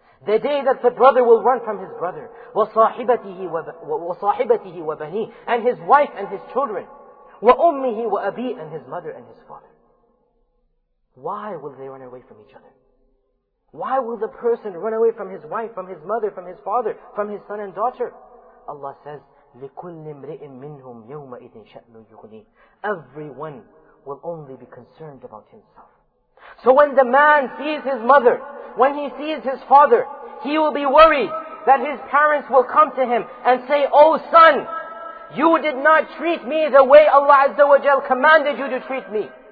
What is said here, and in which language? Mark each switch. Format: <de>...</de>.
<en>The day that the brother will run from his brother,</en> <ar>وَصَاحِبَتِهِ وَبَنِيهِ,</ar> <en>and his wife and his children,</en> <ar>وَأُمِّهِ وَأَبِيهِ,</ar> <en>and his mother and his father. Why will they run away from each other? Why will the person run away from his wife, from his mother, from his father, from his son and daughter? Allah says,</en> <ar>لِكُلِّ امْرِئٍ مِّنْهُمْ يَوْمَئِذٍ شَأْنُ يُغْنِيهِ.</ar> <en>Everyone will only be concerned about himself. So when the man sees his mother, when he sees his father, he will be worried that his parents will come to him and say, oh son, you did not treat me the way Allah Azza wa Jal commanded you to treat me.</en>